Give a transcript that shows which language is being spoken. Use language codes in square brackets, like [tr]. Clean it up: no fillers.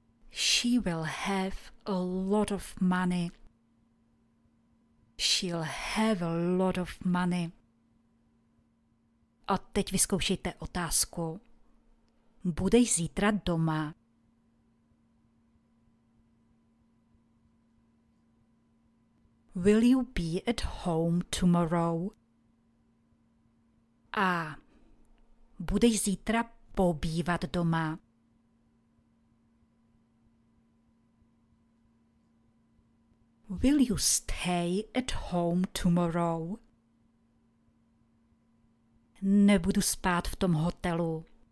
[en] She will have a lot of money. She'll have a lot of money. [cs] A teď vyzkoušejte otázku. Budeš zítra doma? [en] Will you be at home tomorrow? A [cs] budeš zítra pobývat doma? [en] Will you stay at home tomorrow? [cs] Nebudu spát v tom hotelu.